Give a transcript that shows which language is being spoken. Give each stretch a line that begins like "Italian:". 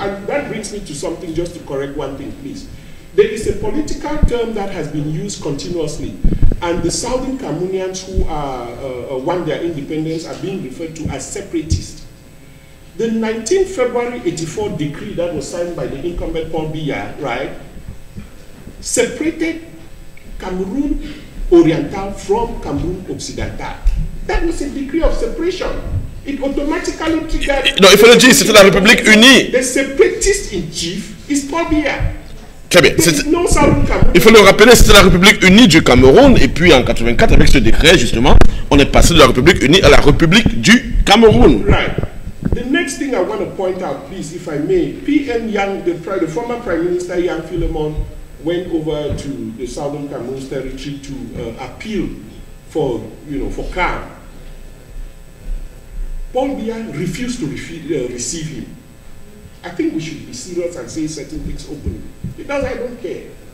English: And that brings me to something, just to correct one thing, please. There is a political term that has been used continuously, and the Southern Cameroonians who are won their independence are being referred to as separatists. The 19th February 84 decree that was signed by the incumbent Paul Biya, right, separated Cameroon Oriental from Cameroon Occidental. That was a decree of separation. It automatically triggered...
French: Non, il faut le dire, c'était la République unie.
English: The separatist in chief is Paul Biya.
French: Très bien. Il faut le rappeler, c'était la République unie du Cameroun. Et puis en 84, avec ce décret, justement, on est passé de la République unie à la République du Cameroun.
English: Right. The next thing I want to point out, please, if I may, PM Yang, the former Prime Minister Yang Philemon, went over to the Southern Cameroon territory to appeal for, you know, for calm. Paul Biya refused to receive him. I think we should be serious and say certain things openly, because I don't care.